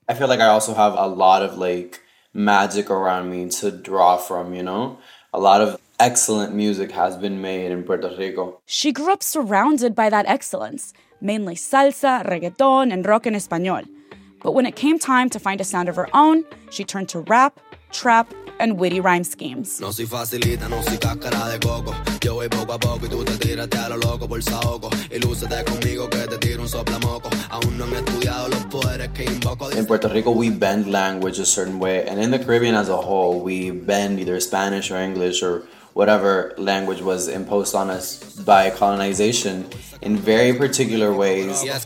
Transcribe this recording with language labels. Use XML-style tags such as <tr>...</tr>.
<en>I feel like I also have a lot of magic around me to draw from, you know? A lot of excellent music has been made in Puerto Rico. She grew up surrounded by that excellence, mainly salsa, reggaeton, and rock en español. But when it came time to find a sound of her own, she turned to rap, trap, and witty rhyme schemes.</en> <es>No soy facilita, no soy cáscara de coco. Yo voy poco a poco y tú te tiraste a lo loco por saoco. Ilúcete conmigo que te tiro un soplamoco. Aún no han estudiado los poderes que invoco.</es> <en>In Puerto Rico, we bend language a certain way. And in the Caribbean as a whole, we bend either Spanish or English or whatever language was imposed on us by colonization in very particular ways.</en>